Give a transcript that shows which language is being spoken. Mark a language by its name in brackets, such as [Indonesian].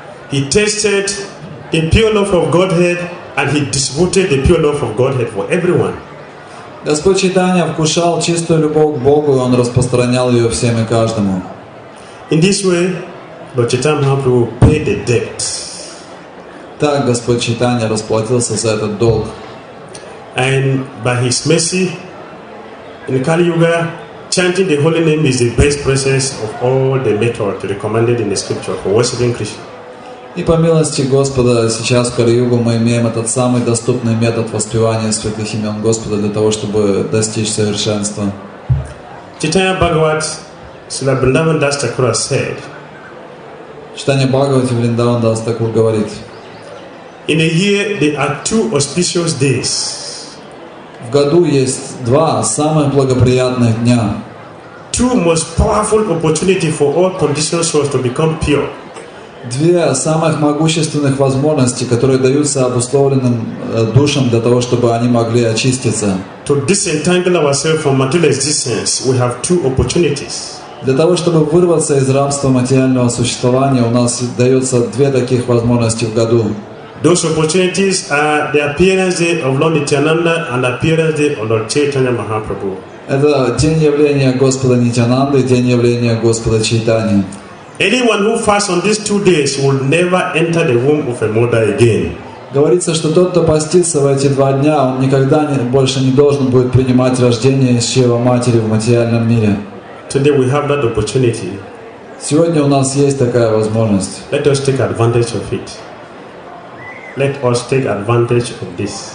[English] He tasted the pure love of Godhead and he disputed the pure love of Godhead for everyone. [Russian] Господь Чайтанья вкушал чистую любовь к Богу, и он распространял ее всем и каждому. [English] In this way, Lord Chaitanya Mahaprabhu paid the debt. [Russian] Так Господь Чайтанья расплатился за этот долг. [English] And by his mercy, in Kali Yuga, chanting the holy name is the best process of all the method recommended in the scripture for worshiping Krishna. [Russian] И по милости Господа сейчас в Кали-Югу мы имеем этот самый доступный метод воспевания святых имен Господа для того, чтобы достичь совершенства. [English] Chaitanya Bhagavat, Srila Vrindavan Das Thakura said. [Russian] Chaitanya Bhagavat и Vrindavan Das Thakur говорит. [English] In a year there are two auspicious days. [Russian] В году есть два самых благоприятных дня. [English] Two most powerful opportunity for all conditioned souls to become pure. [Russian] Две самых могущественных возможности, которые даются обусловленным душам для того, чтобы они могли очиститься. [English] To disentangle ourselves from material existence, we have two opportunities. [Russian] Для того, чтобы вырваться из рабства материального существования, у нас дается две таких возможности в году. [English] Those opportunities are the appearance day of Lord Nityananda and the appearance day of Lord Chaitanya Mahaprabhu. [Russian] Это день явления Господа Нитянанды и день явления Господа Чайтаньи. [English] Anyone who fasts on these two days will never enter the womb of a mother again. [Russian] Говорится, что тот, кто постится в эти два дня, он никогда больше не должен будет принимать рождение из чрева матери в материальном мире. [English] Today we have that opportunity. [Russian] Сегодня у нас есть такая возможность. [English] Let us take advantage of it. Let us take advantage of this.